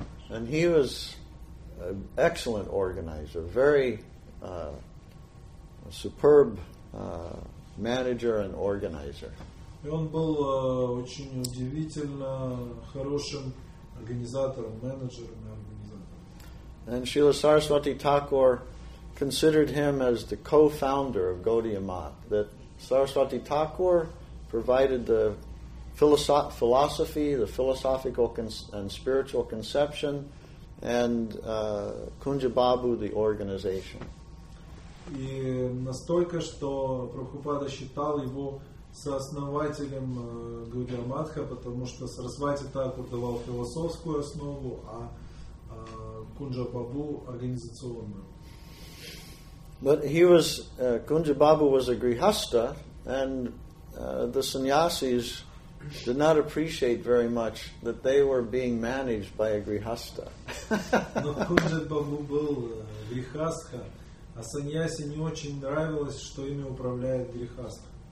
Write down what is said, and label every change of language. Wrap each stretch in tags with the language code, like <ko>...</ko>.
<en>And he was excellent organizer, very superb manager and organizer.</en> <ru>И он был очень удивительно хорошим организатором, менеджером и организатором.</ru> <en>And Srila Saraswati Thakur considered him as the co-founder of Gaudiya Math, that Saraswati Thakur provided the philosophy, the philosophical and spiritual conception, and Kunja Babu, the organization.</en> <ru>И настолько, что Прабхупада считал его сооснователем Гаудия Матха, потому что Сарасвати Такур давал философскую основу, а Кунджа Бабу организационную.</ru> <en>But he was Kunja Babu was a grihastha, and the sannyasis did not appreciate very much that they were being managed by a grihastha.</en> <ru>Но Кунджа Бабу был грихастха, а саньяси не очень нравилось, что ими управляет грихастха.</ru>